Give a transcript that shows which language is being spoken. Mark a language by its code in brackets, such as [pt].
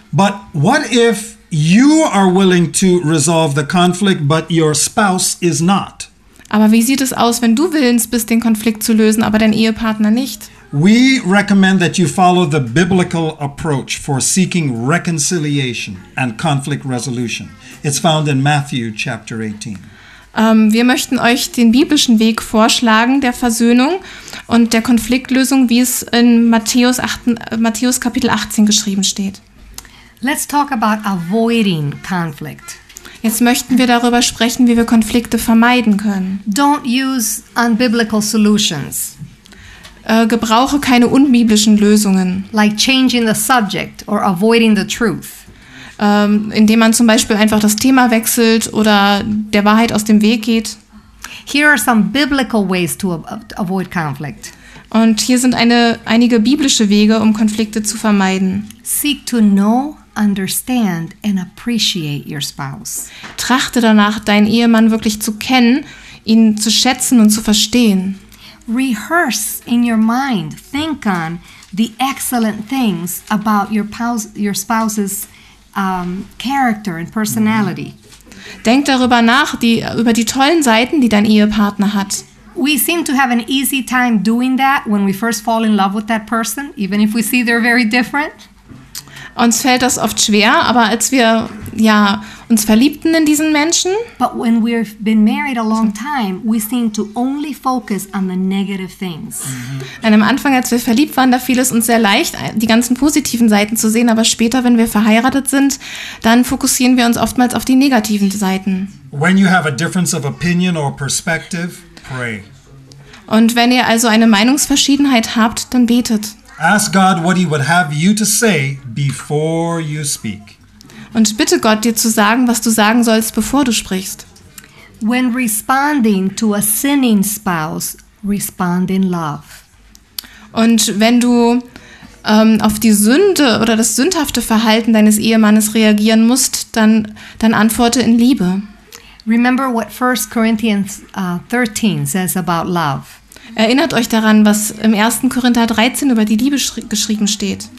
[en] But what if you are willing to resolve the conflict, but your spouse is not? [de] Aber wie sieht es aus, wenn du willens bist, den Konflikt zu lösen, aber dein Ehepartner nicht? [en] We recommend that you follow the biblical approach for seeking reconciliation and conflict resolution. It's found in Matthew chapter 18. [de] Wir möchten euch den biblischen Weg vorschlagen der Versöhnung und der Konfliktlösung, wie es in Matthäus Kapitel 18 geschrieben steht. [en] Let's talk about avoiding conflict. [de] Jetzt möchten wir darüber sprechen, wie wir Konflikte vermeiden können. [en] Don't use unbiblical solutions. [de] Gebrauche keine unbiblischen Lösungen. [en] Like changing the subject or avoiding the truth. [de] Indem man zum Beispiel einfach das Thema wechselt oder der Wahrheit aus dem Weg geht. [en] Here are some biblical ways to avoid conflict. [de] Und hier sind einige biblische Wege, um Konflikte zu vermeiden. [en] Seek to know, understand and appreciate your spouse. [de] Trachte danach, deinen Ehemann wirklich zu kennen, ihn zu schätzen und zu verstehen. [en] Rehearse in your mind, think on the excellent things about your spouse's character and personality. [de] Denk darüber nach, über die tollen Seiten, die dein Ehepartner hat. [en] We seem to have an easy time doing that when we first fall in love with that person, even if we see they're very different. [de] Uns fällt das oft schwer, aber als wir uns verliebten in diesen Menschen. [en] But when we've been married a long time, we seem to only focus on the negative things. Mhm. [de] Am Anfang, als wir verliebt waren, da fiel es uns sehr leicht, die ganzen positiven Seiten zu sehen. Aber später, wenn wir verheiratet sind, dann fokussieren wir uns oftmals auf die negativen Seiten. [en] When you have a difference of opinion or perspective, pray. [de] Und wenn ihr also eine Meinungsverschiedenheit habt, dann betet. [en] Ask God what he would have you to say before you speak. [de] Und bitte Gott, dir zu sagen, was du sagen sollst, bevor du sprichst. [en] When responding to a sinning spouse, respond in love. [de] Und wenn du auf die Sünde oder das sündhafte Verhalten deines Ehemannes reagieren musst, dann antworte in Liebe. [en] Remember what 1 Corinthians 13 says about love. [de] Erinnert euch daran, was im 1. Korinther 13 über die Liebe geschrieben steht.